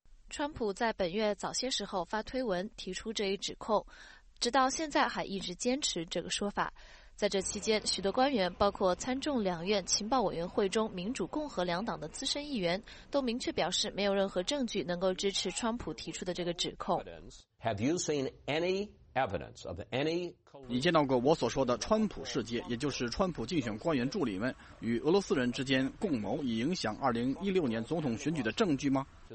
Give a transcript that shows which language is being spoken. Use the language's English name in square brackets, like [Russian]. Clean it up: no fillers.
[Chinese] 川普在本月早些时候发推文提出这一指控，直到现在还一直坚持这个说法。在这期间，许多官员，包括参众两院情报委员会中民主共和两党的资深议员，都明确表示没有任何证据能够支持川普提出的这个指控。 [English] Have you seen any evidence of any？ [Chinese] 你见到过我所说的川普事件，也就是川普竞选官员助理们与俄罗斯人之间共谋以影响2016年总统选举的证据吗？